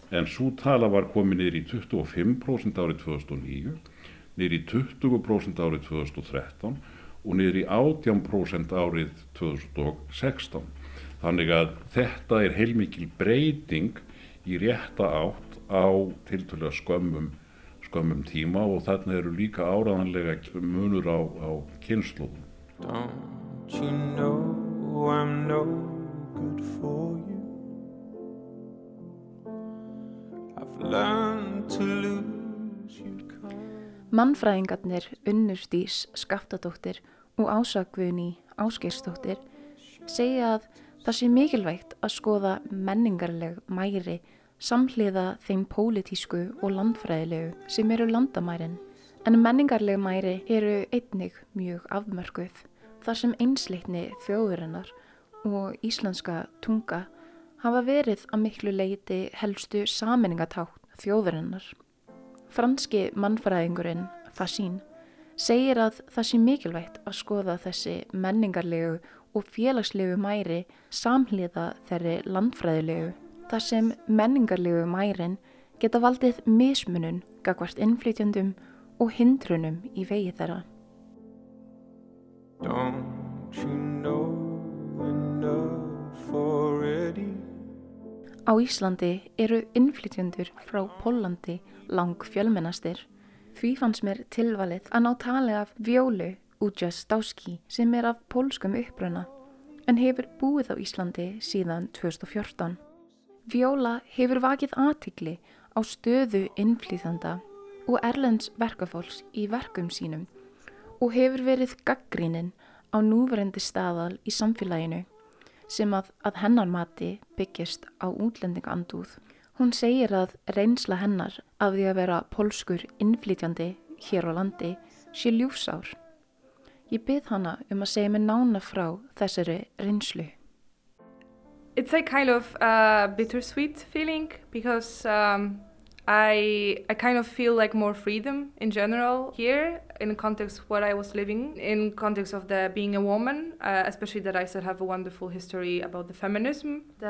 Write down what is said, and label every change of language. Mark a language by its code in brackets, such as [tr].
[is] En sú tala var komin niður í 25% árið 2009, niður í 20% árið 2013 og niður í 18% árið 2016. Þannig að þetta heilmikil breyting í rétta átt á tiltölulega skömmum tíma og þarna eru líka áraðanlega munur á kynslóðum. [en] Don't you know I'm no good for you? I've learned to lose you. [is] Mannfræðingarnir Unnurdís Skaftadóttir og Ása Guðný Ásgeirsdóttir segja að það sé mikilvægt að skoða menningarleg mæri samhliða þeim pólitísku og landfræðilegu sem eru landamærin. En menningarleg mæri eru einnig mjög afmörkuð þar sem einsleitni þjóðurinnar og íslenska tunga hafa verið að miklu leiti helstu sameiningatákn þjóðurinnar. Franski mannfræðingurinn Fassin segir að það sé mikilvægt að skoða þessi menningarlegu og félagslegu mæri samhliða þeirri landfræðilegu þar sem menningarlegu mærin geta valdið mismunun gagnvart innflytjendum og hindrunum í vegi þeirra. [en] Don't you know enough already? [is] Á Íslandi eru innflytjendur frá Póllandi lang fjölmennastir. Því fannst mér tilvalið að ná tali af Violu Ujazdowski sem af pólskum uppruna en hefur búið á Íslandi síðan 2014. Viola hefur vakið athygli á stöðu innflytjenda og erlends verkafólks í verkum sínum og hefur verið gagnrýnin á núverandi staðal í samfélaginu sem að hennar mati byggjast á útlendingandúð. Hún segir að reynsla hennar af því að vera pólskur innflytjandi hér á landi sé ljúfsár. Ég bið hana að segja mér nána frá þessari reynslu. [en] It's a kind of bittersweet feeling because I kind of feel like more freedom in general here in the context where I was living, in context of the being a woman, especially that I still have a wonderful history about the feminism.